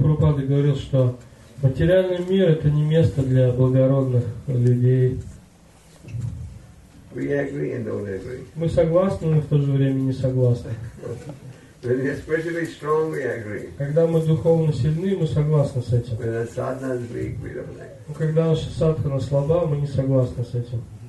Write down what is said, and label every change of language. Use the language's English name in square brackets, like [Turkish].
[Russian] Прабхупада говорил, что материальный мир — это не место для благородных людей. [English] We agree and don't agree. [Russian] Мы согласны, но в то же время не согласны. [English] When we're spiritually strong, we agree. [Russian] Когда мы духовно сильны, мы согласны с этим. [English] When our sadhana is weak, we don't agree. [Russian] Когда наша садхана слаба, мы не согласны с этим.